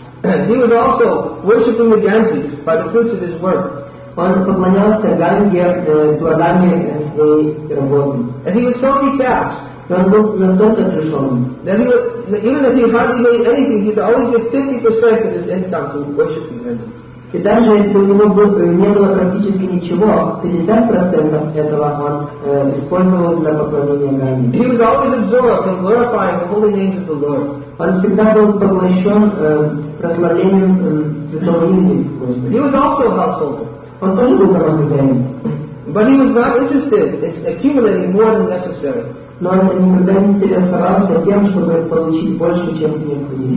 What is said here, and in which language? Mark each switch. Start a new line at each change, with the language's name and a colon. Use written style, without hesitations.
English: He was also worshipping the Ganges by the fruits of his work. And he was so detached. Even if he hardly made anything, he would always give 50% of his income to worship the Ganges.
Russian: И даже если у него не было практически ничего, 50% этого он использовал для поклонения Ганге.
English: He was always absorbed in glorifying the holy names of the Lord.
Russian: Он всегда был поглощен прославлением святого имени Господа.
English: He was also a householder.
Russian: Он тоже был домохозяином.
English: But he was not interested in accumulating more than necessary.
Russian: Но он никогда не интересовался тем, чтобы получить больше, чем необходимо.